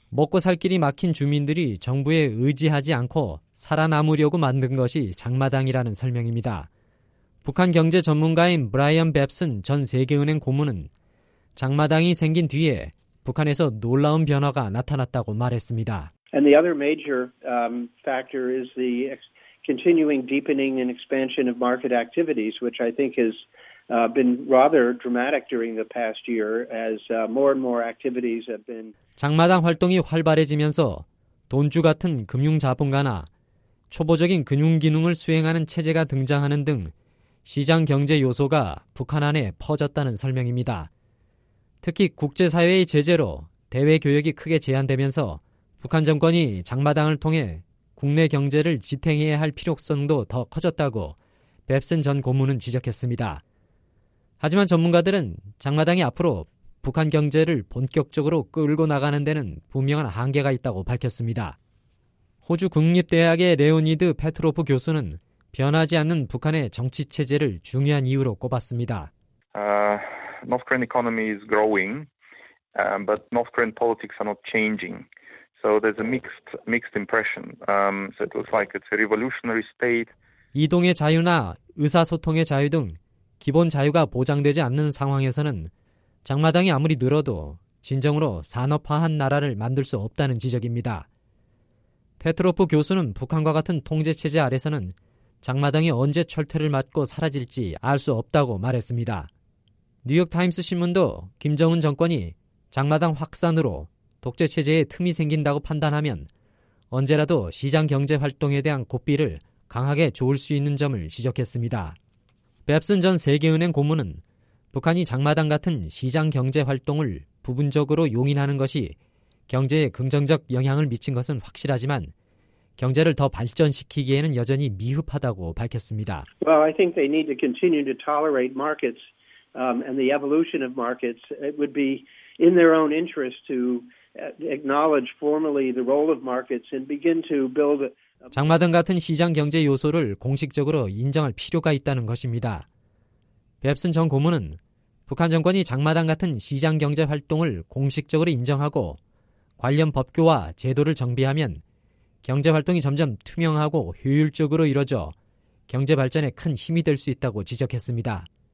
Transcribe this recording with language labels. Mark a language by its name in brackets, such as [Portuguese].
[Korean] 먹고 살 길이 막힌 주민들이 정부에 의지하지 않고 살아남으려고 만든 것이 장마당이라는 설명입니다. 북한 경제 전문가인 브라이언 뱁슨 전 세계은행 고문은 장마당이 생긴 뒤에 북한에서 놀라운 변화가 나타났다고 말했습니다. [English] And the other major factor is the continuing deepening and expansion of market activities, which I think is been rather dramatic during the past year as more and more activities have been [Korean] 장마당 활동이 활발해지면서 돈주 같은 금융 자본가나 초보적인 금융 기능을 수행하는 체제가 등장하는 등 시장 경제 요소가 북한 안에 퍼졌다는 설명입니다. 특히 국제 사회의 제재로 대외 교역이 크게 제한되면서 북한 정권이 장마당을 통해 국내 경제를 지탱해야 할 필요성도 더 커졌다고 뱁슨 전 고문은 지적했습니다. 하지만 전문가들은 장마당이 앞으로 북한 경제를 본격적으로 끌고 나가는 데는 분명한 한계가 있다고 밝혔습니다. 호주 국립대학의 레오니드 페트로프 교수는 변하지 않는 북한의 정치 체제를 중요한 이유로 꼽았습니다. [English] North Korean economy is growing, but North Korean politics are not changing. So there's a mixed impression. So it looks like it's a revolutionary state. [Korean] 이동의 자유나 의사소통의 자유 등 기본 자유가 보장되지 않는 상황에서는 장마당이 아무리 늘어도 진정으로 산업화한 나라를 만들 수 없다는 지적입니다. 페트로프 교수는 북한과 같은 통제체제 아래서는 장마당이 언제 철퇴를 맞고 사라질지 알 수 없다고 말했습니다. 뉴욕타임스 신문도 김정은 정권이 장마당 확산으로 독재체제에 틈이 생긴다고 판단하면 언제라도 시장경제활동에 대한 고삐를 강하게 조을 수 있는 점을 지적했습니다. 뱁슨 전 세계은행 고문은 북한이 장마당 같은 시장경제활동을 부분적으로 용인하는 것이 경제에 긍정적 영향을 미친 것은 확실하지만 경제를 더 발전시키기에는 여전히 미흡하다고 밝혔습니다. [English] Well, I think they need to continue to tolerate markets and the evolution of markets. It would be in their own interest to acknowledge formally the role of markets and begin to build. [Korean] 장마등 같은 시장 경제 요소를 공식적으로 인정할 필요가 있다는 것입니다. 뱁슨 전 고문은 북한 정권이 장마당 같은 시장 경제 활동을 공식적으로 인정하고 관련 법규와 제도를 정비하면 경제 활동이 점점 투명하고 효율적으로 이루어져 경제 발전에 큰 힘이 될 수 있다고 지적했습니다.